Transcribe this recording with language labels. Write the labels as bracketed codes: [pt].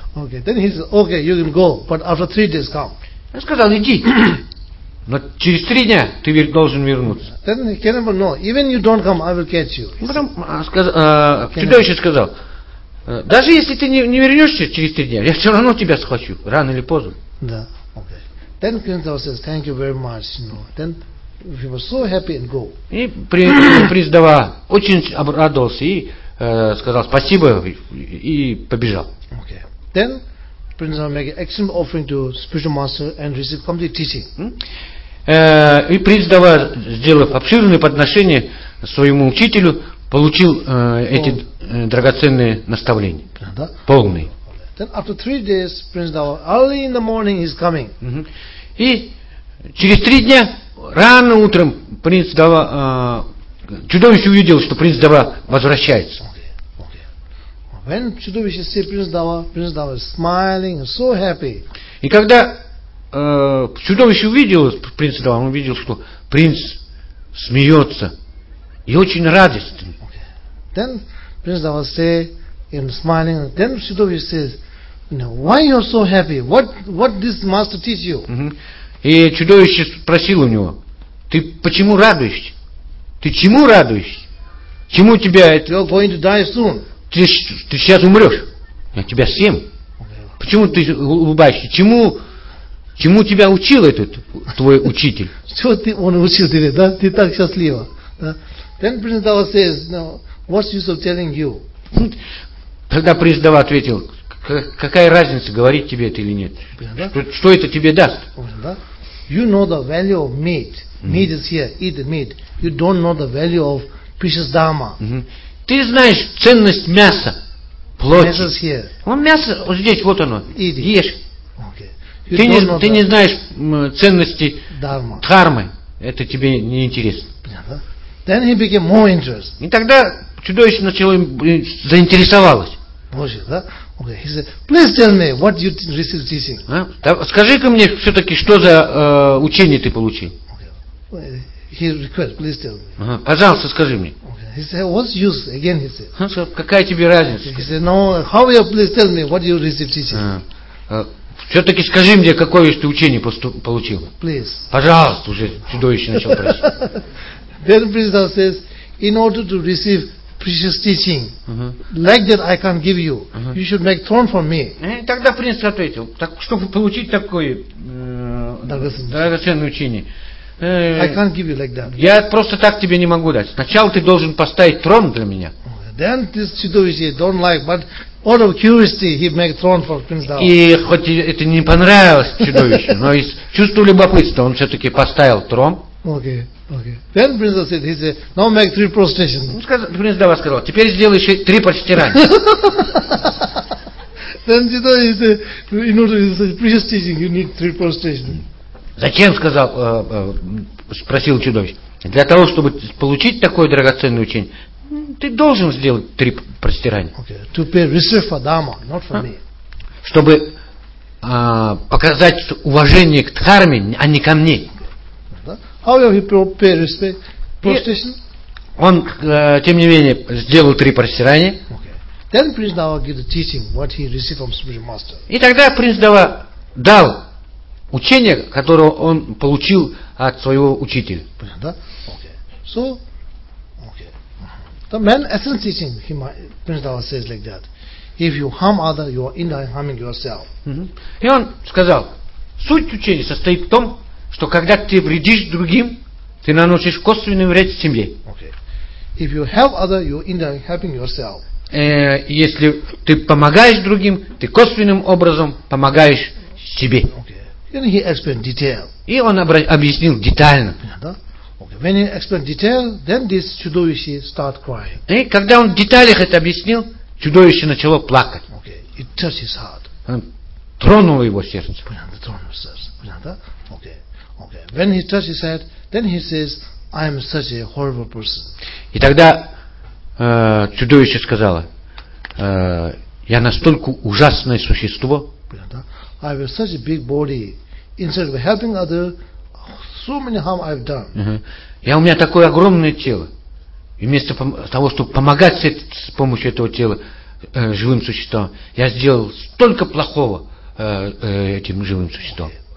[en] Okay. Then he said, okay, you can go, but after 3 days come. [ru] Я сказал, иди. Но через три дня ты должен вернуться. [en] Then cannibal, no. Even you don't come, I will catch you. [ru] Потом чудовище сказал, даже если ты не вернешься через три дня, я все равно тебя схвачу, рано или поздно. Да. Okay. [en] Then cannibal says, thank you very much, you know. Then he was so happy and go. [ru] И приз дава очень обрадовался и сказал спасибо и побежал. Okay. [en] Then Prince Dama make an excellent offering to spiritual master and receive complete teaching. [ru] И Принц Дава, сделав обширное подношение своему учителю, получил эти драгоценные наставления. Да? Полные. [en] Then after three days, Prince Dava, early in the morning, he's coming. [ru] И через три дня, рано утром, Принц Дава, чудовище увидел, что Принц Дава возвращается. [en] When чудовище see Prince Dava, Prince Dava is smiling, so happy. [ru] И когда чудовище увидел Принца Дава, он увидел, что принц смеется и очень радостен. [en] Okay. Then Prince Dava say in smiling. Then чудовище says, "Why you so happy? What this master teach you?" [ru] И чудовище спросил у него: "Ты почему радуешься? Ты чему радуешься? Чему тебя это?" You're going to die soon. Ты сейчас умрешь. Я тебя съем. Okay. Почему ты улыбаешься? Чему тебя учил этот твой учитель? Что ты он учил тебе, да? Ты так счастлива. Да? [en] Then Prince Dava says, no, what's use of telling you? [ru] Тогда Принц Дава ответил, какая разница, говорить тебе это или нет? Что это тебе даст? [en] You know the value of meat. Meat is here, eat the meat. You don't know the value of precious dharma. [ru] Ты знаешь ценность мяса, плоти. Вот мясо вот здесь, вот оно. [en] Eat. [ru] Ешь. Okay. Ты не знаешь ценности дхармы. Это тебе не интересно. [en] Then he became more interested. [ru] И тогда чудовище начало заинтересовалось. Боже, да? Okay. [en] He said, please tell me what you received teaching. [ru] Скажи-ка мне все-таки, что за учение ты получил? [en] Okay. He request, please tell me. [ru] Пожалуйста, скажи мне. [en] He said, "What's use?" Again, he said. [ru] Он сказал, какая тебе разница? [en] He said, "No. How you please tell me what you received teaching?" [ru] Все-таки скажи мне, какое ты учение получил? [en] Please. [ru] Пожалуйста, уже чудовище начал просить. [en] Then Prince Dava says, "In order to receive precious teaching like that, I can't give you. You should make throne for me." [ru] Тогда принц ответил, так чтобы получить такое драгоценное учение. [en] I can't give you like that. [ru] Я просто так тебе не могу дать. Сначала ты должен поставить трон для меня. [en] Then this чудовище don't like, but out of curiosity he make throne for Prince Dava. [ru] И хоть это не понравилось чудовищу, но из чувства любопытства он все-таки поставил трон. Okay, okay. [en] Then Prince Dava said, he said, now make three prostrations. [ru] Он сказал, Принц Дава сказал, теперь сделай еще три прочтирания. [en] Then чудовище said, in order to say precious teaching, you need three prostrations. [ru] Зачем, сказал, спросил чудовище, для того, чтобы получить такое драгоценное учение, ты должен сделать три простирания. Okay. [en] To pay respect for Dharma, not for me. [ru] Чтобы показать уважение к Дхарме, а не ко мне. [en] How will he pay respect? Prostration? [ru] Он, тем не менее, сделал три простирания. Okay. [en] Then Prince Dava gave the teaching, what he received from spiritual master. [ru] И тогда Принц Дава дал учение, которое он получил от своего учителя. Понятно, да? Okay. So, okay. [en] The main essence teaching, Prince Dava says like that. If you harm other, you are indirectly harming yourself. [ru] И он сказал, суть учения состоит в том, что когда ты вредишь другим, ты наносишь косвенный вред семье. Okay. [en] If you help other, you are indirectly helping yourself. [ru] Если ты помогаешь другим, ты косвенным образом помогаешь себе. [en] Okay. Then he explained detail. [ru] И он объяснил детально. [en] Okay. When he explained detail, then this чудовище start crying. [ru] И когда он в деталях это объяснил, чудовище начало плакать. [en] Okay. It touched his heart. [ru] Он тронул его сердце. Понятно, тронул сердце. Понятно? Okay. Okay. [en] When he touched his head, then he says, "I am such a horrible person." [ru] И тогда чудовище сказало, "Я настолько ужасное существо." Понятно? [en] I have such a big body. Instead of helping other, so many harm I've done. [ru] Я у меня такое огромное тело. Вместо того, чтобы помогать с помощью этого тела живым существам, я сделал столько плохого этим живым существам.